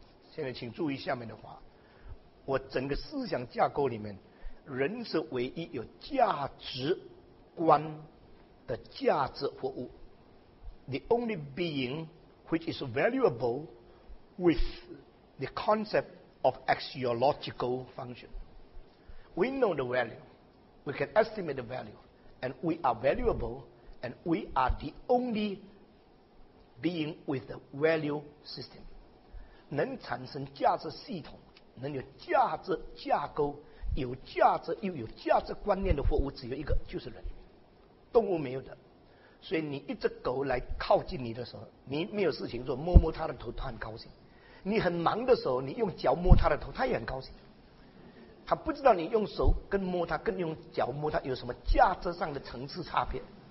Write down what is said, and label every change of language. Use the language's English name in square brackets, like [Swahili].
[Chinese] 现在请注意下面的话，我整个思想架构里面，人是唯一有价值观的价值活物， [English] The only being which is valuable with the concept of axiological function. We know the value, we can estimate the value, and we are valuable, and we are the only being with the value system. [Chinese] 能产生价值系统，能有价值架构，有价值又有价值观念的货物只有一个，就是人，动物没有的。所以你一只狗来靠近你的时候，你没有事情做摸摸它的头它很高兴，你很忙的时候你用脚摸它的头它也很高兴，它不知道你用手跟摸它跟用脚摸它有什么价值上的层次差别。